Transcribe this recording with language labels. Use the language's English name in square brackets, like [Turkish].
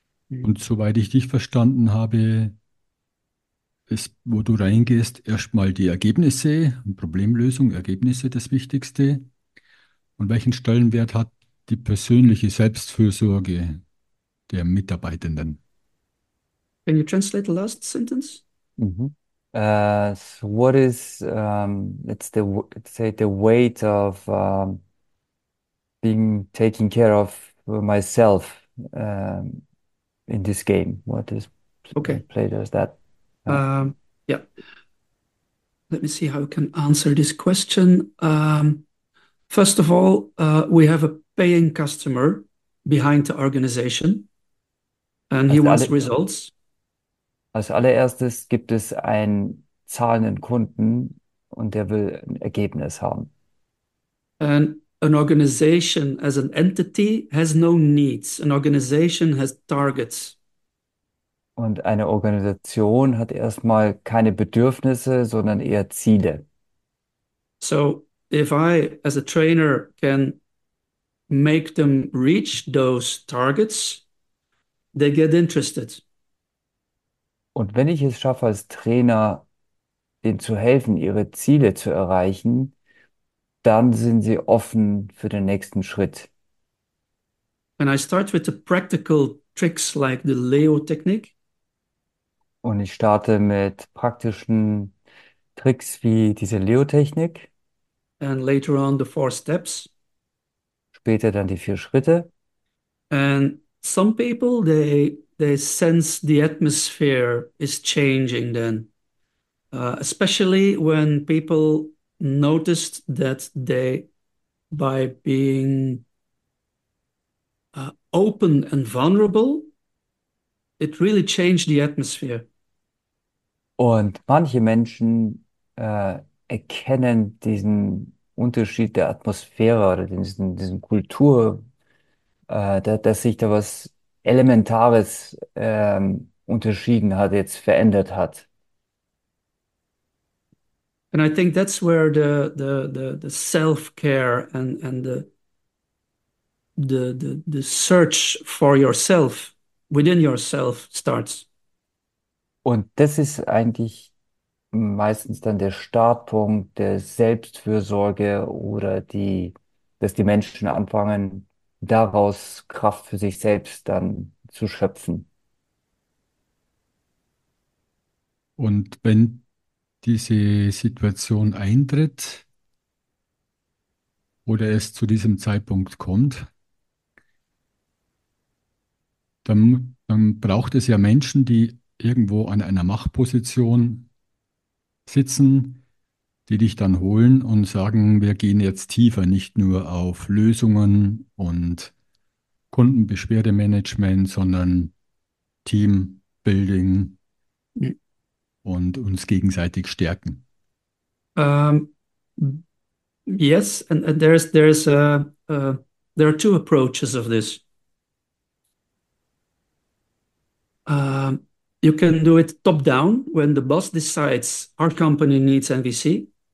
[German] Und soweit ich dich verstanden habe, ist, wo du reingehst, erstmal die Ergebnisse, Problemlösung, Ergebnisse das Wichtigste. Und welchen Stellenwert hat die persönliche Selbstfürsorge der Mitarbeitenden? [English] Can you translate the last sentence? So what is let's say the weight of being taking care of myself in this game? What is Okay. play does that? Let me see how I can answer this question. First of all, we have a paying customer behind the organization, and he wants results. [German] Als allererstes gibt es einen zahlenden Kunden und der will ein Ergebnis haben. [English] And an organization as an entity has no needs. An organization has targets. [German] Und eine Organisation hat erstmal keine Bedürfnisse, sondern eher Ziele. [English] So, if I, as a trainer, can make them reach those targets, they get interested. [German] Und wenn ich es schaffe, als Trainer, denen zu helfen, ihre Ziele zu erreichen, dann sind sie offen für den nächsten Schritt. [English] And I start with the practical tricks like the Leo-Technik. [German] Und ich starte mit praktischen Tricks wie diese Leo-Technik. [English] And later on the four steps. [German] Später dann die vier Schritte. [English] And some people they sense the atmosphere is changing then. Especially when people noticed that they by being open and vulnerable, it really changed the atmosphere. [German] Und manche Menschen erkennen diesen Unterschied der Atmosphäre oder diesen Kultur, dass sich da was Elementares unterschieden hat, jetzt verändert hat. [English] And I think that's where the self-care and the search for yourself within yourself starts. [German] Und das ist eigentlich meistens dann der Startpunkt der Selbstfürsorge oder dass die Menschen anfangen, daraus Kraft für sich selbst dann zu schöpfen. Und wenn diese Situation eintritt oder es zu diesem Zeitpunkt kommt, dann braucht es ja Menschen, die irgendwo an einer Machtposition sitzen, die dich dann holen und sagen, wir gehen jetzt tiefer, nicht nur auf Lösungen und Kundenbeschwerdemanagement, sondern Teambuilding. Und uns gegenseitig stärken. [English] Yes, and there are two approaches of this. You can do it top down when the boss decides our company needs MVC.